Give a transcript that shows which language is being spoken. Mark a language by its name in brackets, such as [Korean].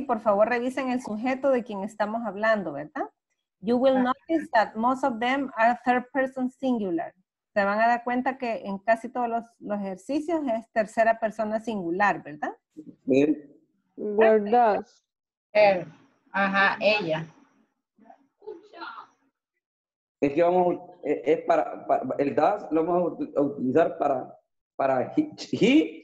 [Spanish] Por favor, revisen el sujeto de quien estamos hablando, ¿verdad? [English] You will notice that most of them are third person singular. [Spanish] Se van a dar cuenta que en casi todos los ejercicios es tercera persona singular, ¿verdad? [English] Yeah. Where does? Her. [Spanish] Ajá, ella. Es que vamos, es para el does lo vamos a utilizar para he.